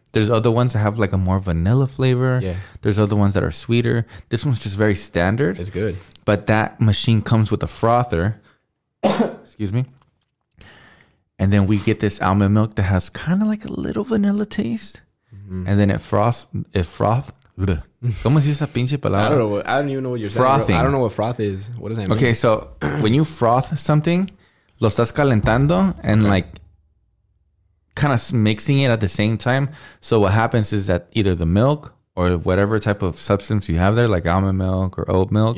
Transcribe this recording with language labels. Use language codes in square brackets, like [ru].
[en] There's other ones that have like a more vanilla flavor. Yeah. There's other ones that are sweeter. This one's just very standard. It's good. But that machine comes with a frother. Excuse me. And then we get this almond milk that has kind of like a little vanilla taste. Mm-hmm. And then it froths. [es] ¿Cómo se dice esa pinche palabra? [en] I don't even know what you're saying. I don't know what froth is. What does that mean? Okay, so when you froth something, [es] lo estás calentando [en] and like... kind of mixing it at the same time. So what happens is that either the milk or whatever type of substance you have there, like almond milk or oat milk,